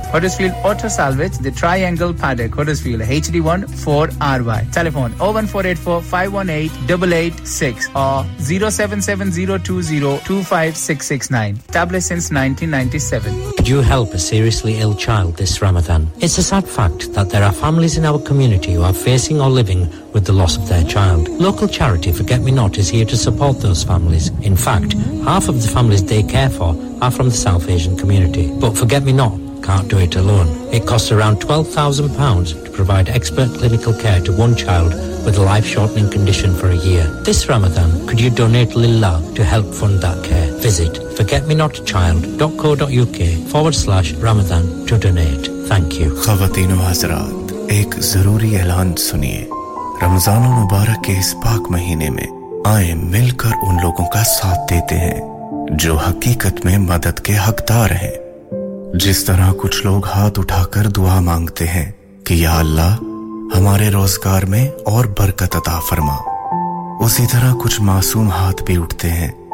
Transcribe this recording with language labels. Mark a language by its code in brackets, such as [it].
[en] Huddersfield auto salvage, the triangle paddock, Huddersfield, HD1 4RY। Telephone 01484518886 और 07702025669। Tablet since 1997। Do help a seriously ill child this Ramzan. It's a sad fact that there are families in our community who are facing or living with the loss of their child. Local charity Forget Me Not is here to support those families. In fact, half of the families they care for are from the South Asian community. But Forget Me Not can't do it alone. It costs around £12,000 to provide expert clinical care to one child with a life-shortening condition for a year. This Ramadan, could you donate Lilla to help fund that care? Visit forgetmenotchild.co.uk/Ramadan to donate. Thank you. [ur] خواتین و حضرات، ایک ضروری اعلان سنیے۔ رمضان و مبارک کے اس پاک مہینے میں آئیں مل کر ان لوگوں کا ساتھ دیتے ہیں جو حقیقت میں مدد کے حقدار ہیں۔ جس طرح کچھ لوگ ہاتھ اٹھا کر دعا مانگتے ہیں کہ یا اللہ ہمارے روزگار میں اور برکت عطا فرما، اسی طرح کچھ معصوم ہاتھ بھی اٹھتے ہیں